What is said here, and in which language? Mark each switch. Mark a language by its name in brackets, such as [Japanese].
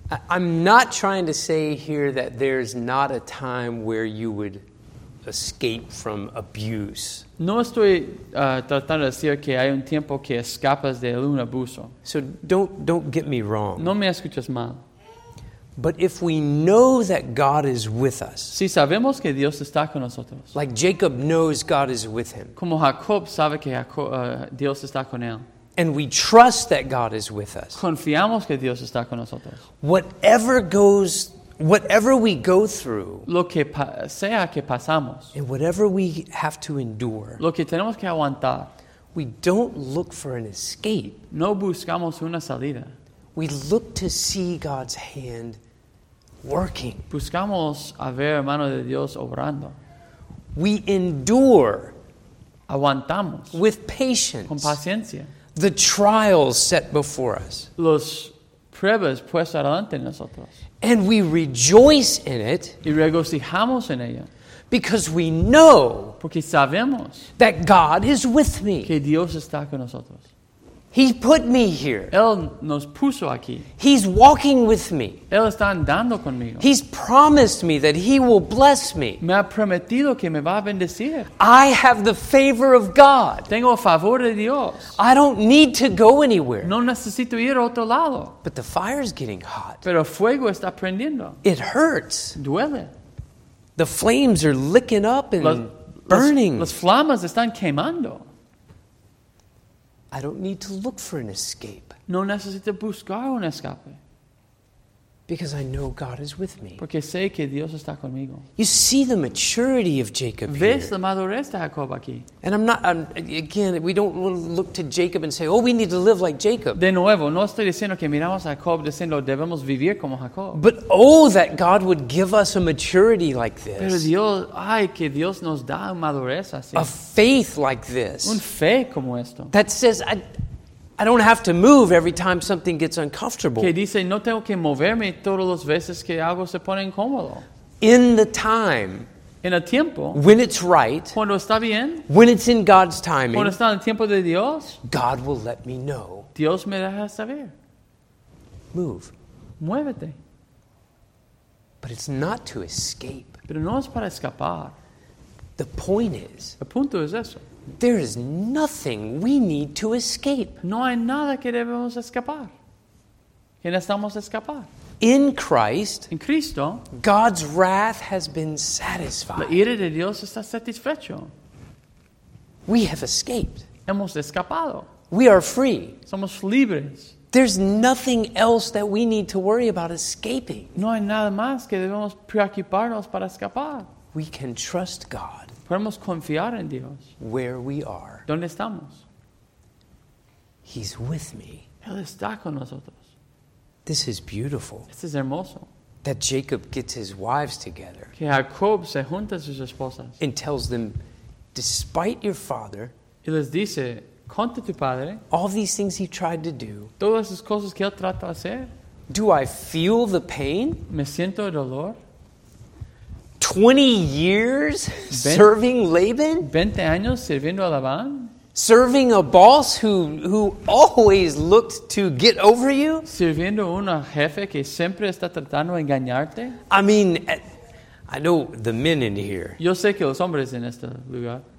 [English] I'm not trying to say here that there's not a time where you would escape from abuse. [Spanish] No estoy tratando de decir que hay un tiempo que escapas de un abuso. [English] So don't get me wrong. [Spanish] No me escuches mal. [English] But if we know that God is with us, [Spanish] si sabemos que Dios está con nosotros, [English] like Jacob knows God is with him, [Spanish] como Jacob sabe que Dios está con él, [English] and we trust that God is with us, [Spanish] confiamos que Dios está con nosotros, [English] whatever we go through, [Spanish] lo que sea que pasamos, [English] and whatever we have to endure, [Spanish] lo que tenemos que aguantar, [English] we don't look for an escape. [Spanish] No buscamos una salida. [English] We look to see God's hand working. [Spanish] Buscamos a ver mano de Dios obrando. [English] We endure. [Spanish] Aguantamos. [English] With patience. [Spanish] Con paciencia. [English] The trials set before us. [Spanish] Los pruebas puestas adelante nosotros. [English] And we rejoice in it. [Spanish] Y regocijamos en ella. [English] Because we know. [Spanish] Porque sabemos. [English] That God is with me. [Spanish] Que Dios está con nosotros. [English] He put me here. [Spanish] Él nos puso aquí. [English] He's walking with me. [Spanish] Él está andando conmigo. [English] He's promised me that he will bless me. [Spanish] Me ha prometido que me va a bendecir. [English] I have the favor of God. [Spanish] Tengo el favor de Dios. [English] I don't need to go anywhere. [Spanish] No necesito ir a otro lado. [English] But the fire is getting hot. [Spanish] Pero el fuego está prendiendo. [English] It hurts. [Spanish] Duele. [English] The flames are licking up and burning. [Spanish] Las flamas están quemando. [English] I don't need to look for an escape. [Spanish] No necesito buscar un escape. [English] Because I know God is with me. [Spanish] Porque sé que Dios está conmigo. [English] You see the maturity of Jacob here. [Spanish] ¿Ves la madurez de Jacob aquí? [English] And we don't look to Jacob and say, oh, we need to live like Jacob. [Spanish] De nuevo, no estoy diciendo que miramos a Jacob diciendo debemos vivir como Jacob. [English] But oh, that God would give us a maturity like this. [Spanish] Pero Dios, ay, que Dios nos da madurez así. [English] A faith like this. [Spanish] Un fe como esto. [English] That says, I don't have to move every time something gets uncomfortable. [Spanish] Que dice, no tengo que moverme todas las veces que algo se pone incómodo. [English] In the time. [Spanish] En el tiempo. [English] When it's right. [Spanish] Cuando está bien. [English] When it's in God's timing. [Spanish] Cuando está en el tiempo de Dios. [English] God will let me know. [Spanish] Dios me deja saber. [English] Move. [Spanish] Muévete. [English] But it's not to escape. [Spanish] Pero no es para escapar. [English] The point is. [Spanish] El punto es eso. [English] There is nothing we need to escape. [Spanish] No hay nada que debemos escapar. Que necesitamos escapar. [English] In Christ, [Spanish] en Cristo, [English] God's wrath has been satisfied. [Spanish] La ira de Dios está satisfecho. [English] We have escaped. [Spanish] Hemos escapado. [English] We are free. [Spanish] Somos libres. [English] There's nothing else that we need to worry about escaping. [Spanish] No hay nada más que debemos preocuparnos para escapar. [English] We can trust God. [Spanish] Podemos confiar en Dios. [English] Where we are. [Spanish] ¿Dónde estamos? [English] He's with me. [Spanish] Él está con nosotros. [English] This is beautiful. [Spanish] Esto es hermoso. [English] That Jacob gets his wives together. [Spanish] Que Jacob se junta a sus esposas. [English] And tells them, despite your father. [Spanish] Y les dice, contra tu padre. [English] All these things he tried to do. [Spanish] Todas esas cosas que él trató de hacer. [English] Do I feel the pain? [Spanish] Me siento el dolor. [English] 20 years serving Laban? [Spanish] 20 años sirviendo a Labán? [English] Serving a boss who always looked to get over you? [Spanish] Sirviendo un jefe que siempre está tratando de engañarte? [English] I mean, I know the men in here. [Spanish] Yo sé que los hombres en este lugar.